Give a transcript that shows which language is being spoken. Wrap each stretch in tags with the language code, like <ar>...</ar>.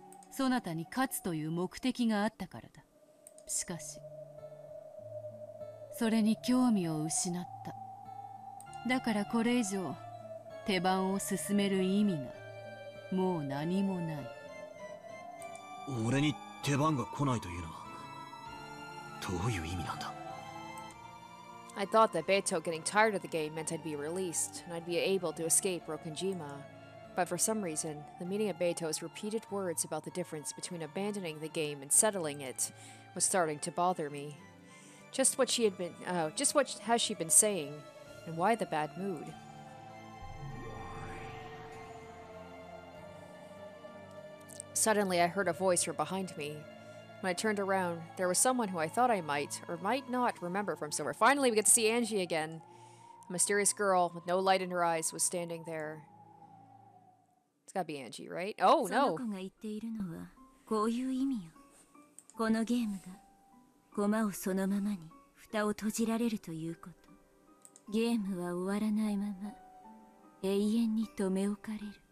<ja>そなたに勝つという目的があったからだ。しかしそれに興味を失った。だからこれ以上手番を進める意味がもう何もない。俺に手番が来ないというのはどういう意味なんだ。</ja> <en>I thought that Beato getting tired of the game meant I'd be released, and I'd be able to escape Rokunjima. But for some reason, the meaning of Beato's repeated words about the difference between abandoning the game and settling it was starting to bother me. Just what she had been, just what has she been saying, and why the bad mood? Suddenly, I heard a voice from behind me. When I turned around, there was someone who I thought I might or might not remember from somewhere. Finally, we get to see Angie again. A mysterious girl with no light in her eyes was standing there. It's gotta be Angie, right? Oh, no!</en> <ja>その子が言っているのはこういう意味よ。このゲームが駒をそのままに蓋を閉じられるということ。ゲームは終わらないまま永遠に留め置かれる。</ja>